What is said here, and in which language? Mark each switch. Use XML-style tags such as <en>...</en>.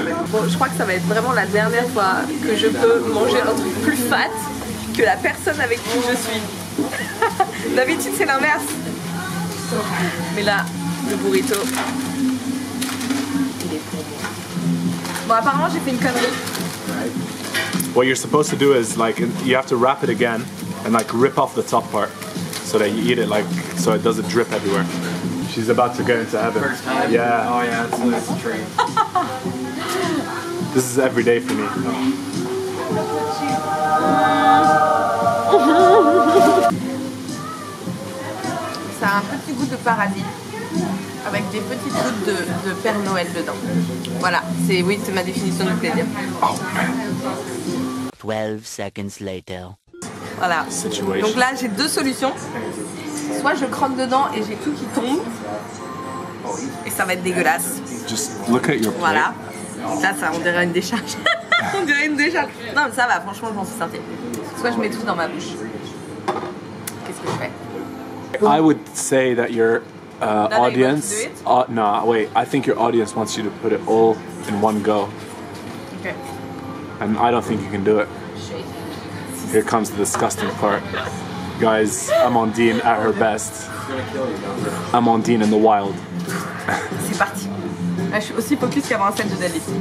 <fr>Bon, je crois que ça va être vraiment la dernière fois que je peux manger un truc plus fat que la personne avec qui je suis. D'habitude c'est l'inverse. Mais là, le burrito, il est pour moi. Bon, apparemment j'ai fait une connerie.</fr> <en>What you're supposed to do is like you have to wrap it again and like rip off the top part. So that you eat it like, so it doesn't drip everywhere. She's about to get into heaven. First time? Yeah. Oh yeah, it's a treat. This is every day for me.</en> <fr>Ça a un petit goût de paradis, avec des petites gouttes de Père Noël dedans. Voilà, c'est ma définition du plaisir.</fr> <en>12 seconds later.</en> <fr>Voilà. Situation. Donc là, j'ai deux solutions. Soit je croque dedans et j'ai tout qui tombe. Et ça va être dégueulasse.</fr> <en>Just look at your plate.</en> <fr>Voilà. Là, ça, on dirait une décharge. On dirait une décharge. Non, mais ça va, franchement, je m'en suis sortie. Soit je mets tout dans ma bouche. Qu'est-ce que je fais?</fr> <en>I would say that your audience. No, wait. I think your audience wants you to put it all in one go. Okay. And I don't think you can do it. Here comes the disgusting part. Guys, Amandine at her best. Amandine in the wild.</en> <fr>C'est parti. Là, je suis aussi focus qu'avant la scène de Dalí.</fr>